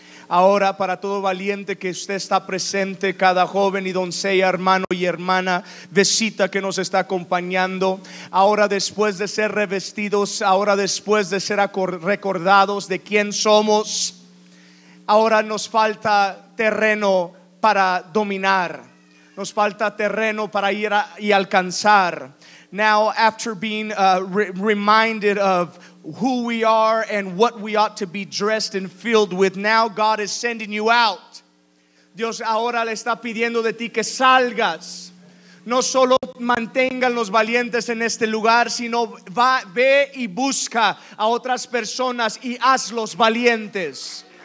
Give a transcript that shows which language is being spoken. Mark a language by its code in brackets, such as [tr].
[es] Ahora, para todo valiente que usted está presente, cada joven y doncella, hermano y hermana, visita que nos está acompañando, ahora después de ser revestidos, ahora después de ser recordados de quién somos, ahora nos falta terreno para dominar, nos falta terreno para ir y alcanzar. [en] Now, after being reminded of who we are and what we ought to be dressed and filled with, now God is sending you out. [es] Dios ahora le está pidiendo de ti que salgas. No solo mantengan los valientes en este lugar, sino ve y busca a otras personas y hazlos valientes.